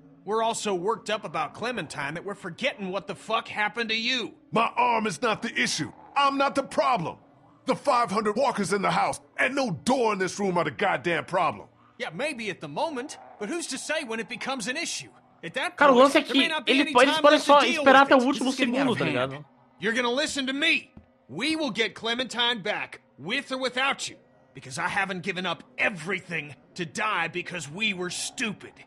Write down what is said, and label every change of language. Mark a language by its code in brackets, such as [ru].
[en] We're all so worked up about Clementine that we're forgetting what the fuck happened to you. My arm is not the issue. I'm not the problem. The 500 walkers in the house and no door in this room are the goddamn problem. Yeah, maybe at the moment, but who's to say when it becomes an issue? At that [pt] cara, [en] point, [pt] o lance é que ele pode, eles podem só esperar até o último segundo, tá ligado? [en] You're gonna listen to me. We will get Clementine back, with or without you. Because I haven't given up everything to die because we were stupid.